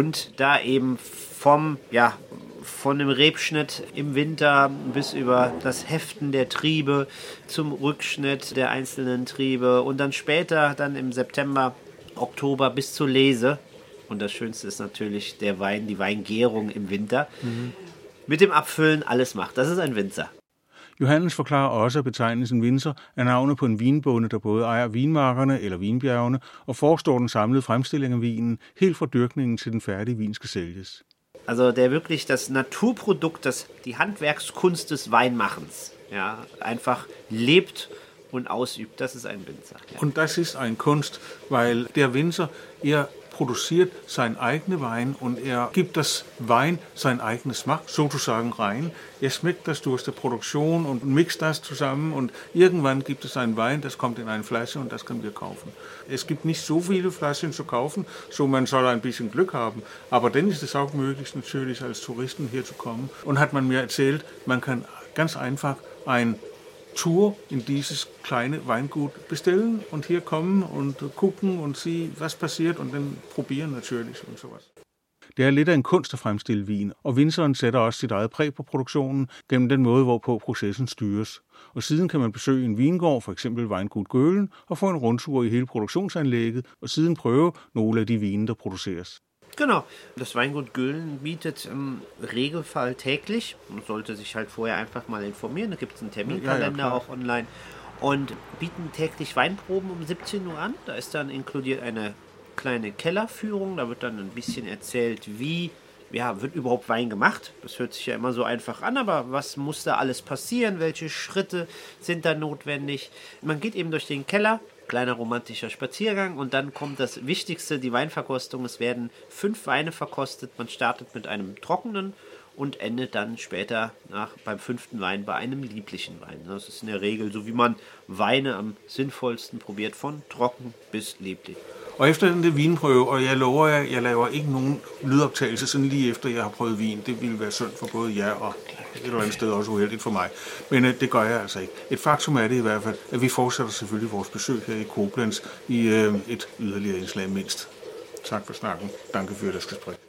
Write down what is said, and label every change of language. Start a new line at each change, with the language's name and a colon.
German: Und da eben vom, ja, von dem Rebschnitt im Winter bis über das Heften der Triebe zum Rückschnitt der einzelnen Triebe und dann später, dann im September, Oktober bis zur Lese. Und das Schönste ist natürlich der Wein, die Weingärung im Winter. Mhm. Mit dem Abfüllen alles macht. Das ist ein Winzer.
Danish: Johannes forklarer også, at betegnelsen Winzer er navnet på en vinbonde, der både ejer vinmarkerne eller vinbjergene og forestår den samlede fremstilling af vinen helt fra dyrkningen til den færdige vin skal sælges.
German: Also der wirklich das Naturprodukt, das die Handwerkskunst des Weinmachens, ja, einfach lebt und ausübt, das ist ein Winzer. Ja. Und das ist ein Kunst, weil der Winzer, er produziert seinen eigenen Wein und er gibt das Wein sein eigenes
Danish: Smak
German: sozusagen rein. Er schmeckt das durch die Produktion und mixt das zusammen und irgendwann gibt es einen Wein, das kommt in eine Flasche und das können wir kaufen. Es gibt nicht so viele Flaschen zu kaufen, so man soll ein bisschen Glück haben, aber dann ist es auch möglich natürlich als Touristen hier zu kommen und hat man mir erzählt, man kann ganz einfach ein Tour in dieses kleine Weingut bestellen und hier kommen und gucken und sehen, was passiert und dann probieren natürlich und sowas.
Danish: Det er lidt af en kunst at fremstille vin, og vinseren sætter også sit eget præg på produktionen gennem den måde, hvorpå processen styres. Og siden kan man besøge en vingård, for eksempel Weingut Gølen, og få en rundtur i hele produktionsanlægget, og siden prøve nogle af de vine, der produceres. Genau, das Weingut Gölen bietet im Regelfall täglich, man sollte sich halt vorher einfach mal informieren, da gibt es einen Terminkalender auch online, und bieten täglich Weinproben um 17 Uhr an, da ist dann inkludiert eine kleine Kellerführung, da wird dann ein bisschen erzählt, wie, ja, wird überhaupt Wein gemacht, das hört sich ja immer so einfach an, aber was muss da alles passieren, welche Schritte sind da notwendig, man geht eben durch den Keller, kleiner romantischer Spaziergang und dann kommt das Wichtigste, die Weinverkostung. Es werden 5 Weine verkostet. Man startet mit einem trockenen und endet dann später beim 5. Wein bei einem lieblichen Wein. Das ist in der Regel so, wie man Weine am sinnvollsten probiert, von trocken bis lieblich. Og efter den der vinprøve, og jeg lover jer, jeg laver ikke nogen lydoptagelse sådan lige efter, jeg har prøvet vin. Det ville være synd for både jer og et eller andet sted også uheldigt for mig. Men det gør jeg altså ikke. Et faktum er det i hvert fald, at vi fortsætter selvfølgelig vores besøg her i Koblenz i et yderligere indslag mindst. Tak for snakken.
German: Danke für das Gespräch.